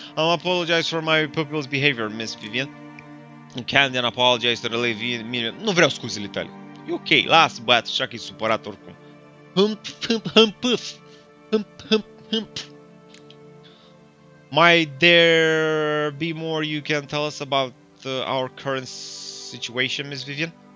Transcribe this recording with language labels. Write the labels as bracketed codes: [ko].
[en] I'm apologize for my pupil's behavior, Miss Vivian. Candian apologize to the lady Vivian. [ro] Nu vreau scuzele tale. E ok, las băiatul așa că e supărat oricum. Hump, hump, hump, puf. Hump, hump, hump. [en] Might there be more you can tell us about our current situation, Miss Vivian?